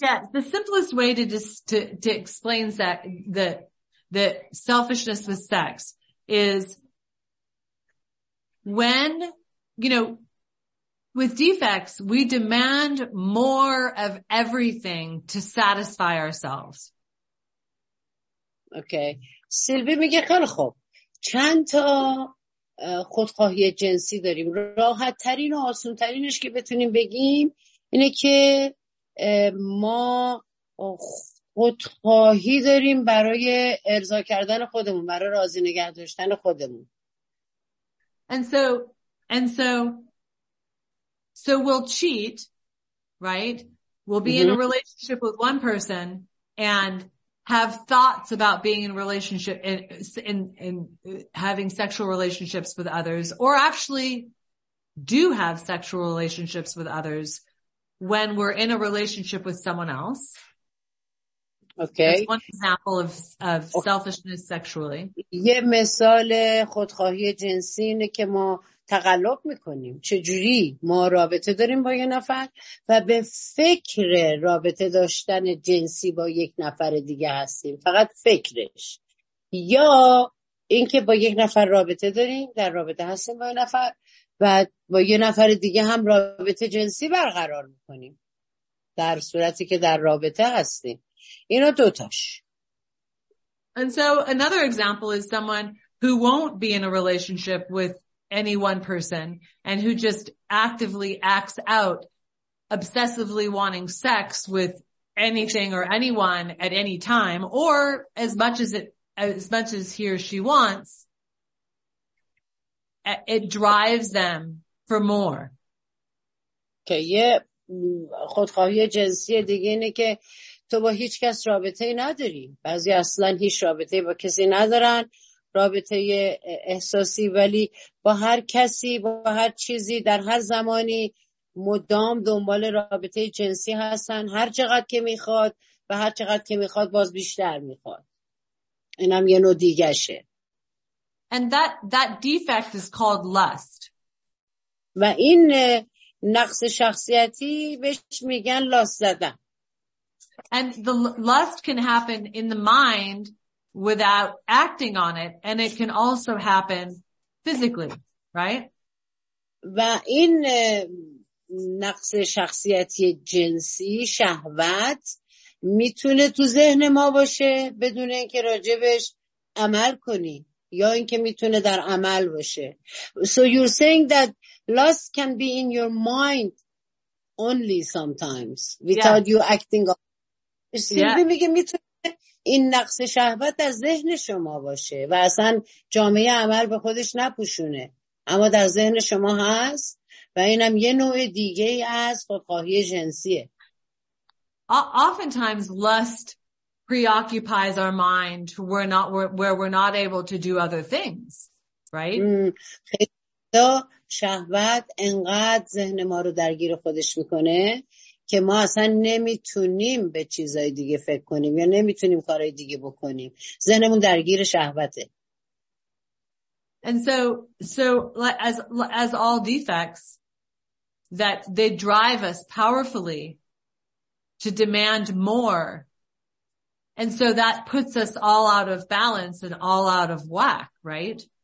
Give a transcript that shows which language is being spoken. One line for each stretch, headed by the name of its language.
English: Yeah, the simplest way to explain that, the selfishness with sex is when, you know, with defects, we demand more of everything to satisfy ourselves.
Persian: Okay. سیلوی میگه خیلی خوب. چند تا خودخواهی جنسی داریم. راحت ترین و آسون ترینش که بتونیم بگیم اینه که ما خودخواهی داریم برای ارضا کردن خودمون، برای راضی نگه داشتن خودمون.
English: And so we'll cheat, right? We'll be in a relationship with one person and have thoughts about being in a relationship and having sexual relationships with others, or actually do have sexual relationships with others when we're in a relationship with someone else. Okay. That's one example of okay. selfishness sexually.
Persian: یه مثال خودخواهی جنسی اینه که ما تقلب میکنیم. چجوری ما رابطه داریم با یه نفر و به فکر رابطه داشتن جنسی با یک نفر دیگه هستیم. فقط فکرش. یا اینکه با یک نفر رابطه داریم، در رابطه هستیم با یه نفر و با یه نفر دیگه هم رابطه جنسی برقرار میکنیم. در صورتی که در رابطه هستیم. اینا دوتاش.
English: And so another example is someone who won't be in a relationship with any one person and who just actively acts out obsessively wanting sex with anything or anyone at any time or as much as he or she wants, it drives them for more. Okay, yeah.
Persian: خودخواهی جنسی دیگه اینه که تو با هیچ کس رابطه نداری. بعضی اصلا هیچ رابطه با کسی ندارن، رابطه احساسی، ولی با هر کسی، با هر چیزی، در هر زمانی مدام دنبال رابطه جنسی هستن، هر چقدر که میخواد و هر چقدر که میخواد باز بیشتر میخواد. اینم یه نوع دیگه شه.
English: And that defect is called lust.
Persian: و این نقص شخصیتی بهش میگن لاست زدن.
English: And the lust can happen in the mind without acting on it, and it can also happen physically, right?
Persian: و این نقص شخصیتی جنسی شهوت میتونه تو ذهن ما باشه بدون اینکه راجبش عمل کنی، یا اینکه میتونه در عمل باشه.
English: So you're saying that lust can be in your mind only sometimes without you acting on.
Persian: سیلوی میگه میتونه این نقص شهوت در ذهن شما باشه و اصلا جامعه عمل به خودش نپوشونه، اما در ذهن شما هست و اینم یه نوع دیگه از خودخواهی جنسیه.
English: Oftentimes lust preoccupies our mind where we're not able to do other things, right?
Persian: شهوت انقدر ذهن ما رو درگیر خودش میکنه که ما اصلا نمیتونیم به چیزای دیگه فکر کنیم یا نمیتونیم کارهای دیگه بکنیم. ذهنمون درگیر شهوته.
English: And so as all defects that they drive us powerfully to demand more. And so that puts us all out of balance and all out of whack, right?